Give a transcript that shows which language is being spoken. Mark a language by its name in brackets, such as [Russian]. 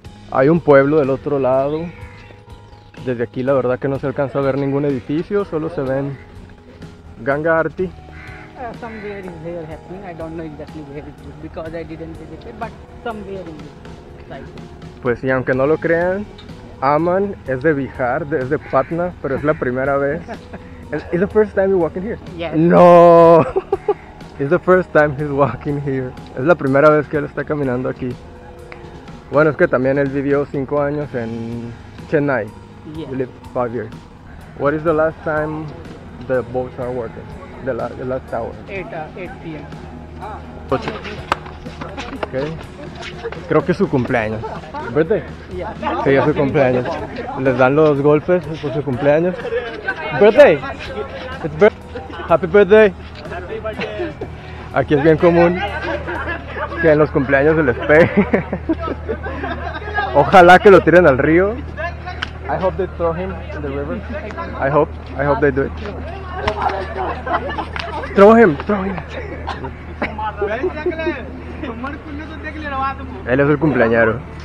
[Spanish] Hay un pueblo del otro lado. Desde aquí la verdad que no se alcanza a ver ningún edificio, solo se ven [English] Ganga Aarti? Somewhere is here happening. I don't know exactly where it is because I didn't visit it, but somewhere in this. [Spanish] Pues y aunque no lo crean, Aman es de Bihar, es de Patna, pero es la primera vez. [English] Is the first time you're walking here? Yes. No. It's the first time he's walking here. [Spanish] Es la primera vez que él está caminando aquí. Bueno, es que también él vivió 5 años en Chennai. [English] Yes. He lived 5 years. What is the last time the boats are working? The last hour? 8 p.m. [Spanish] Ah. Okay. Creo que es su cumpleaños. ¿Verdad? [English] Yes. [Spanish] Sí, es su cumpleaños. Les dan los golpes por su cumpleaños. Birthday. [English] It's happy birthday. [Spanish] Aquí es bien común que en los cumpleaños se les pegue. Ojalá que lo tiren al río. [English] I hope they throw him in the river. I hope they do it. Throw him. [Spanish] Él es el cumpleañero.